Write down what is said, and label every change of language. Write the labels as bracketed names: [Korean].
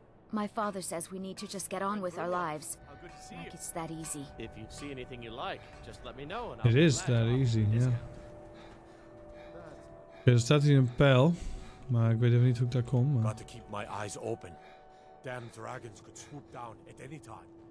[English] My father says we need to just get on with our lives. Like it's that easy. If you see anything you like, just let me know. It is that easy, yeah. [Dutch] Okay, er staat hier een pijl, maar ik weet even niet hoe ik daar kom. Maar. [English] Got to keep my eyes open. Damn dragons could swoop down at any time.